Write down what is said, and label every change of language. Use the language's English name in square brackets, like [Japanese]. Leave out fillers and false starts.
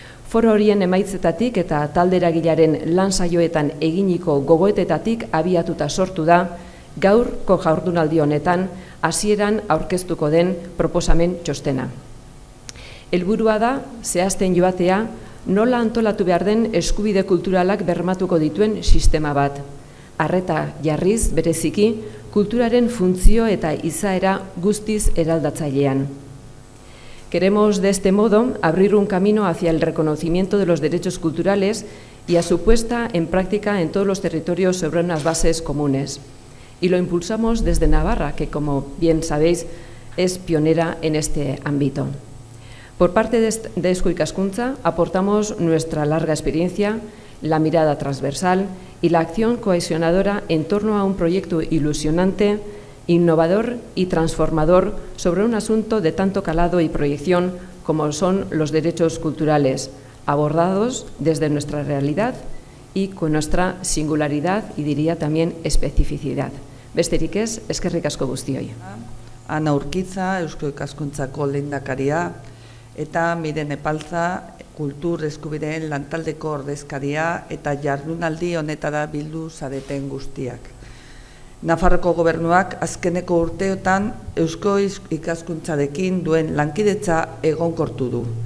[Basque] Foro horien emaitzetatik eta talderagilaren lan saioetan eginiko gogoetetatik abiatuta sortu da, gaurko jardunaldi honetan hasieran aurkeztuko den proposamen txostena. Helburua da, zehazten joatea, nola antolatu behar den eskubide kulturalak bermatuko dituen sistema bat. Arreta jarriz, bereziki, kulturaren funtzio eta izaera guztiz eraldatzailean. [Spanish] Queremos de este modo abrir un camino hacia el reconocimiento de los derechos culturales y a su puesta en práctica en todos los territorios sobre unas bases comunes. Y lo impulsamos desde Navarra, que como bien sabéis es pionera en este ámbito. Por parte de Eusko Ikaskuntza aportamos nuestra larga experiencia, la mirada transversal y la acción cohesionadora en torno a un proyecto ilusionante, innovador y transformador sobre un asunto de tanto calado y proyección como son los derechos culturales, abordados desde nuestra realidad y con nuestra singularidad y diría también especificidad. [Basque] Besterik ez, eskerrik asko guztioi. Ana Urkiza, Eusko Ikaskuntzako lehendakaria, eta Miren Epalza, kultur eskubideen lantaldeko ordezkaria eta jardunaldi honetara bildu zareten guztiak. Nafarroko gobernuak azkeneko urteotan Eusko Ikaskuntzarekin duen lankidetza egonkortu du.